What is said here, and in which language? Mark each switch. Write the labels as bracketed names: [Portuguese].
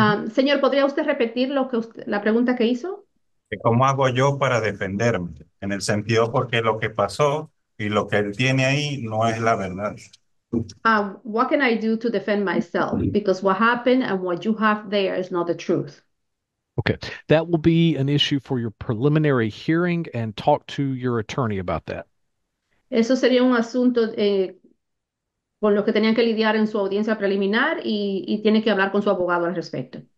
[Spanish] Señor, ¿podría usted repetir lo que usted, la pregunta que hizo? ¿Cómo hago yo para defenderme? En el sentido porque lo que pasó y lo que él tiene ahí no es la verdad. [English] What can I do to defend myself? Because what happened and what you have there is not the truth. Okay. That will be an issue for your preliminary hearing and talk to your attorney about that. [Spanish] Eso sería un asunto con lo que tenían que lidiar en su audiencia preliminar y tiene que hablar con su abogado al respecto.